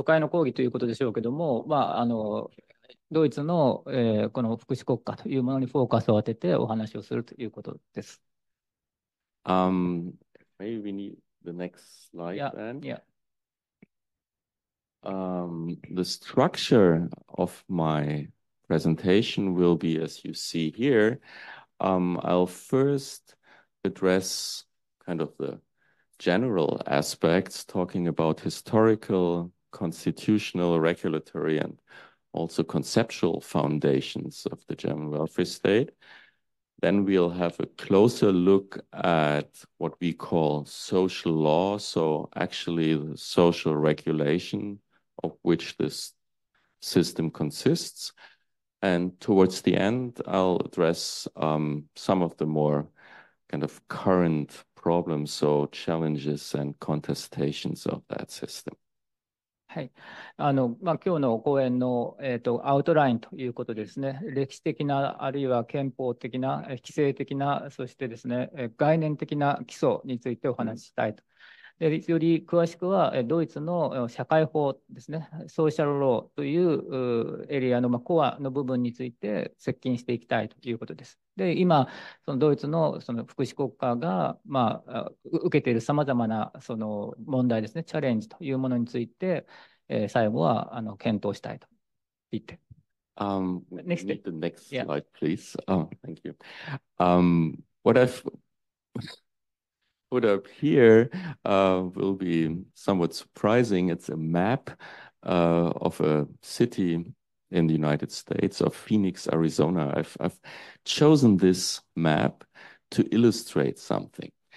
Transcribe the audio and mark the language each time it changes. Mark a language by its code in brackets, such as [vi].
[ja] 1回目の初回の講義ということでしょうけども、ドイツの、この福祉国家というものにフォーカスを当ててお話をするということです。 [en] Maybe we need the next slide then. The structure of my presentation will be as you see here. I'll first address kind of the general aspects, talking about historical, constitutional, regulatory, and also conceptual foundations of the German welfare state. Then we'll have a closer look at what we call social law, so actually the social regulation of which this system consists. And towards the end, I'll address some of the more kind of current problems, so challenges and contestations of that system. [ja] はい、今日の講演の、アウトラインということですね、歴史的なあるいは憲法的な、規制的な、そしてですね、概念的な基礎についてお話ししたいと。で、より詳しくは、ドイツの社会法ですね、ソーシャルローというエリアの、コアの部分について接近していきたいということです。で、今、そのドイツ の, その福祉国家が、受けているさまざまなその問題ですね、チャレンジというものについて、最後は検討したいと言って。 [en] Next slide. The next slide,、yeah. please. Oh, thank you. What I've put up here will be somewhat surprising. It's a map of a city in the United States, of Phoenix, Arizona. I've chosen this map to illustrate something.